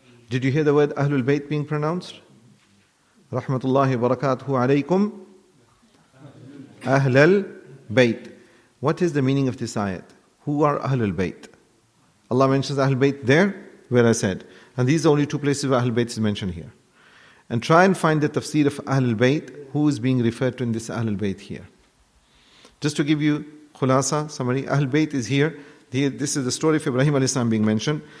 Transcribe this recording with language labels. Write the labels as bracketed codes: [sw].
[en] Did you hear the word أهل البيت being pronounced? [ar] رحمة الله وبركاته عليكم أهل البيت. [en] What is the meaning of this ayat? Who are أهل البيت? Allah mentions أهل البيت there where I said. And these are the only two places where Ahlul Bayt is mentioned here. And try and find the tafsir of Ahlul Bayt, who is being referred to in this Ahlul Bayt here. Just to give you khulasa, summary, Ahlul Bayt is here. This is the story of Ibrahim alayhi salam being mentioned.